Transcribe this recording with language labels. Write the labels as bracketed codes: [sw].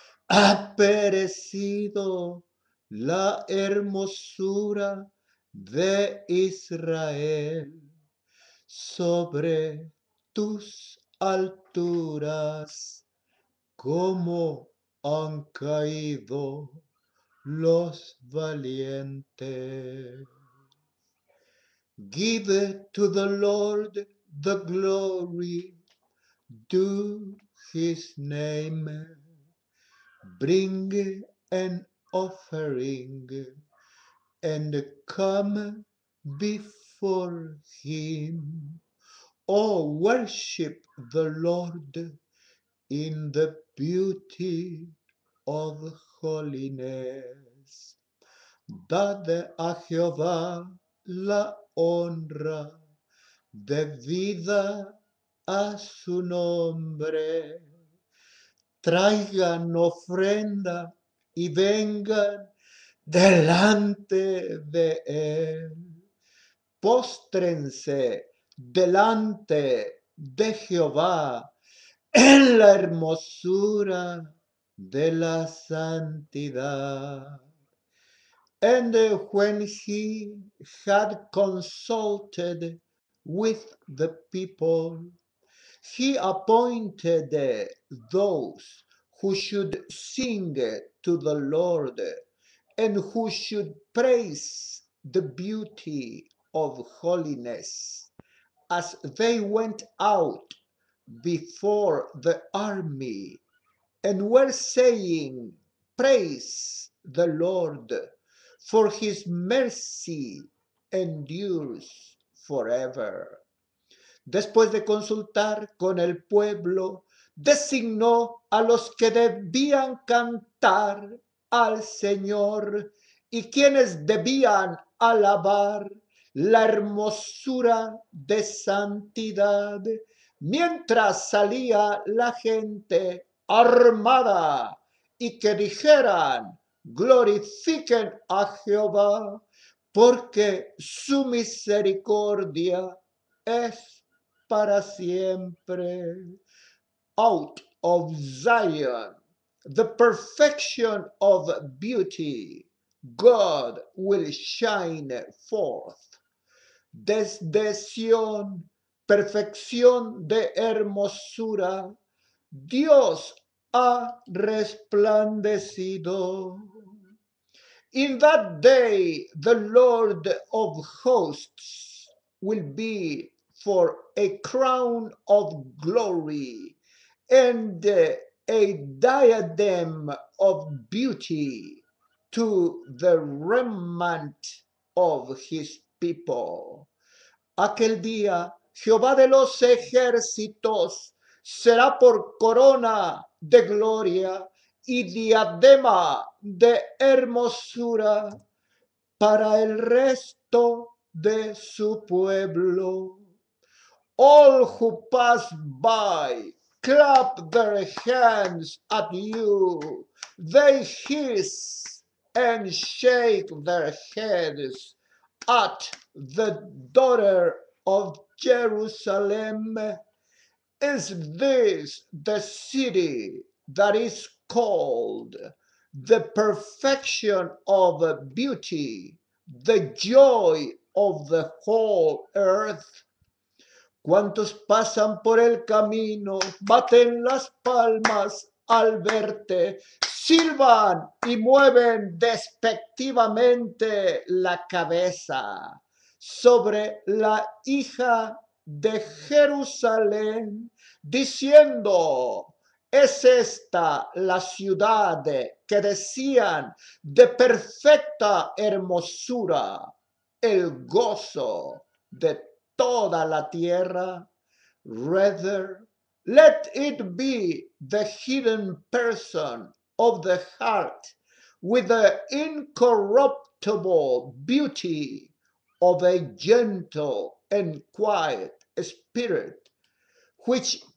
[es] Ha perecido la hermosura de Israel sobre tus alturas, como han caído los valientes. [en] Give to the Lord the glory, to his name. Bring an offering and come before him. Oh, worship the Lord in the beauty of holiness. [es] Dade a Jehová la honra debida a su nombre. Traigan ofrenda y vengan delante de él. Póstrense delante de Jehová en la hermosura de la santidad. [en] And when he had consulted with the people, he appointed those who should sing to the Lord and who should praise the beauty of holiness as they went out before the army and were saying, "Praise the Lord, for his mercy endures forever." [es] Después de consultar con el pueblo, designó a los que debían cantar al Señor y quienes debían alabar la hermosura de santidad mientras salía la gente armada y que dijeran, glorifiquen a Jehová porque su misericordia es para siempre. [en] Out of Zion, the perfection of beauty, God will shine forth. [es] Desde Sion, perfección de hermosura, Dios ha resplandecido. [en] In that day, the Lord of hosts will be for a crown of glory and a diadem of beauty to the remnant of his people. [es] Aquel día, Jehová de los ejércitos será por corona de gloria y diadema de hermosura para el resto de su pueblo. [en] All who pass by clap their hands at you. They hiss and shake their heads at the daughter of Jerusalem. Is this the city that is called the perfection of beauty, the joy of the whole earth? [es] ¿Cuántos pasan por el camino, baten las palmas al verte, silban y mueven despectivamente la cabeza sobre la hija de Jerusalén, diciendo, ¿es esta la ciudad que decían de perfecta hermosura, el gozo de toda la tierra? [en] Rather, let it be the hidden person of the heart with the incorruptible beauty of a gentle and quiet spirit, which